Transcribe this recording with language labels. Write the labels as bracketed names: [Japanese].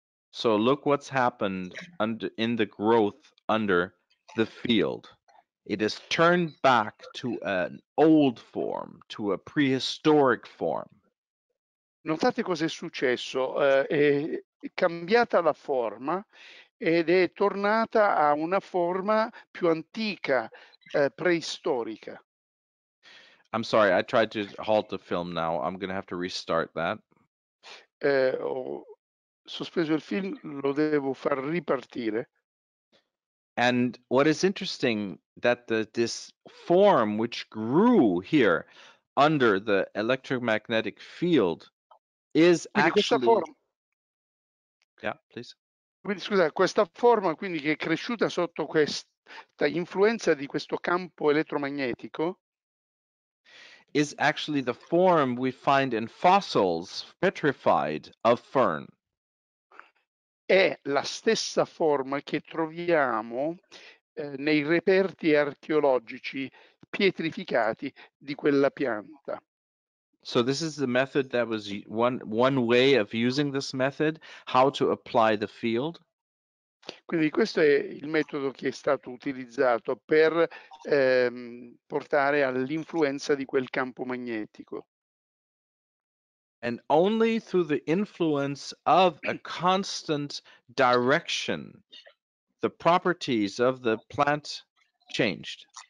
[English] So look what's happened under, in the growth under the field. It has turned back to an old form, to a prehistoric form. [Italian] Notate cosa è successo. È cambiata la forma ed è tornata a una forma più antica, preistorica. [English] I'm sorry, I tried to halt the film now. I'm going to have to restart that. [Italian] Sospeso il film, lo devo far ripartire. [English] And what is interesting that this form which grew here under the electromagnetic field is actually [Italian] Quindi scusa, questa forma quindi che è cresciuta sotto questa influenza di questo campo elettromagnetico [English] is actually the form we find in fossils petrified of fern. [Italian] È la stessa forma che troviamo nei reperti archeologici pietrificati di quella pianta. [English] So this is the method that was one way of using this method, how to apply the field. [Italian] Quindi questo è il metodo che è stato utilizzato per portare all'influenza di quel campo magnetico. [English] And only through the influence of a constant direction, the properties of the plant changed.